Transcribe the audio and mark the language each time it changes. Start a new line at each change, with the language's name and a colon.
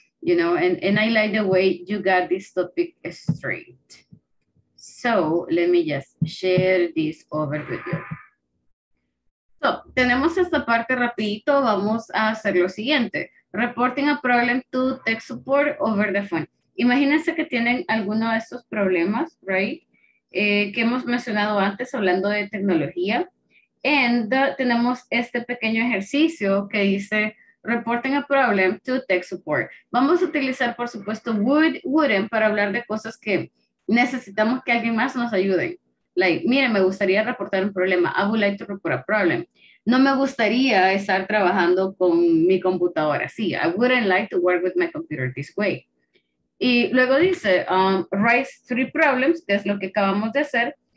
English: You know, and I like the way you got this topic straight. So let me just share this over with you.
Spanish: So, tenemos esta parte rapidito. Vamos a hacer lo siguiente.
English: Reporting a problem to tech support over the phone.
Spanish: Imagínense que tienen alguno de estos problemas, right? Que hemos mencionado antes hablando de tecnología. And tenemos este pequeño ejercicio que dice
English: reporting a problem to tech support.
Spanish: Vamos a utilizar, por supuesto, wouldn't para hablar de cosas que necesitamos que alguien más nos ayude.
English: Like,
Spanish: mire, me gustaría reportar un problema.
English: I would like to report a problem.
Spanish: No me gustaría estar trabajando con mi computadora.
English: Sí, I wouldn't like to work with my computer this way.
Spanish: Y luego dice
English: write 3 problems,
Spanish: que es lo que acabamos de hacer.